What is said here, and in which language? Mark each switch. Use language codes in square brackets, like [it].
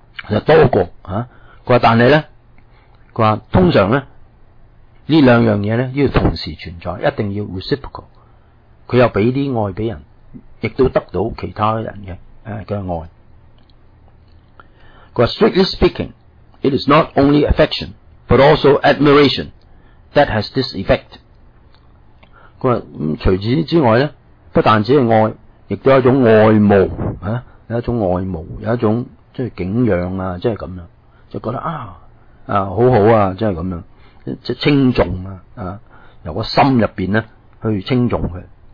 [yue] 就多过佢话但係呢，佢话通常呢呢两样嘢呢要同时存在，一定要 reciprocal。佢又俾啲爱俾人，亦都得到其他人嘅爱。佢话 [en] strictly speaking， it is not only affection but also admiration that has this effect。 [yue] 佢话咁除此之外咧，不但只系爱，亦都有一种爱慕有一种爱慕，有一种即系敬仰啊，即系咁样，就觉得好好啊，即系咁样，即系轻重由个心入边咧去轻重佢。